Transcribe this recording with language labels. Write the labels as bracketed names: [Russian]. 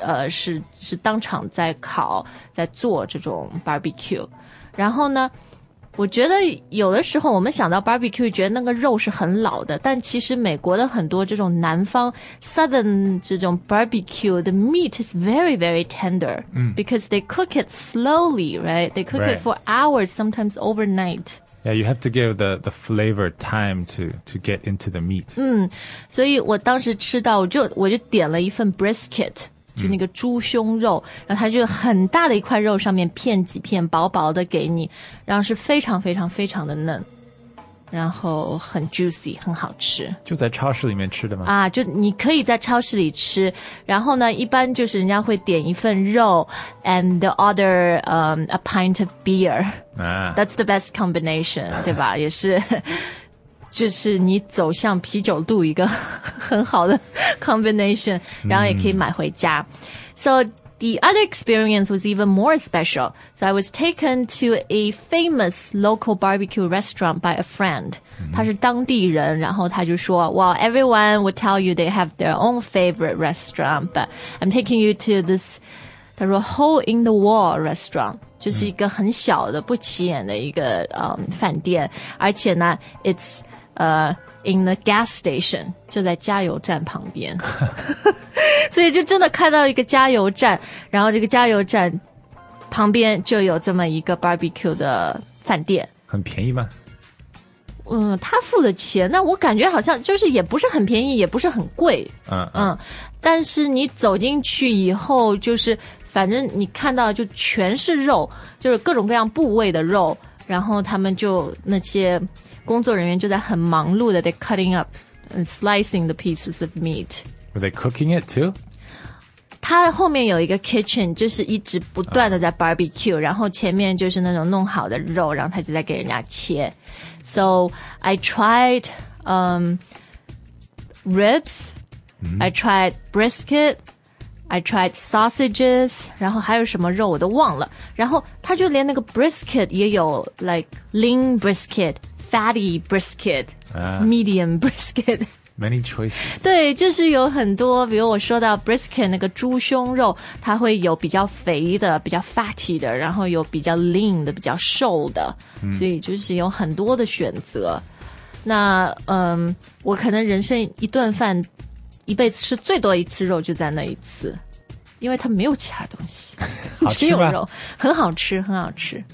[Chinese] 是当场在烤在做这种 barbecue, 然后呢我觉得有的时候我们想到 barbecue 觉得那个肉是很老的，但其实美国的很多这种南方 southern 这种 barbecue, [English] the meat is very, very tender, because they cook it slowly, right? They cook it for hours, sometimes overnight. Yeah, you have to give the flavor time to get into the meat. [Chinese] 所以我当时吃到我就点了一份 brisket,就那个猪胸肉，然后它就很大的一块肉，上面片几片薄薄的给你，然后是非常非常非常的嫩，然后很 juicy 很好吃。就在超市里面吃的吗？啊，就你可以在超市里吃，然后呢一般就是人家会点一份肉 [English] and the other a pint of beer、that's the best combination [Chinese] 对吧，也是就是你走向啤酒肚一个很好的 combination, 然后也可以买回家。 [English] So the other experience was even more special. So I was taken to a famous local barbecue restaurant by a friend. [Chinese] 他是当地人，然后他就说 [English] Well, everyone would tell you they have their own favorite restaurant, but I'm taking you to this, [Chinese] 他说 [English] hole in the wall restaurant. [Chinese] 就是一个很小的不起眼的一个饭店，而且呢 [English] it's in the gas station, [Chinese] 就在加油站旁边。所以就真的开到一个加油站，然后这个加油站旁边就有这么一个 barbecue 的饭店。很便宜吗？他付了钱，那我感觉好像就是也不是很便宜也不是很贵。但是你走进去以后就是反正你看到就全是肉，就是各种各样部位的肉，然后他们就那些工作人员就在很忙碌的 [English] they're cutting up and slicing the pieces of meat. Were they cooking it too? [Chinese] 他后面有一个 kitchen, 就是一直不断的在 barbecue,然后前面就是那种弄好的肉，然后他就在给人家切。 [English] So I tried ribs,I tried brisket,I tried sausages, [Chinese] 然后还有什么肉我都忘了。然后他就连那个 brisket 也有 [English] like lean brisket, fatty brisket, medium brisket. Many choices. [Chinese] 对，就是有很多，比如我说到 brisket 那个猪胸肉，它会有比较肥的，比较 fatty 的，然后有比较 lean 的，比较瘦的。所以就是有很多的选择。那我可能人生一顿饭一辈子吃最多一次肉就在那一次，因为它没有其他东西，只有肉，很好吃，很好吃。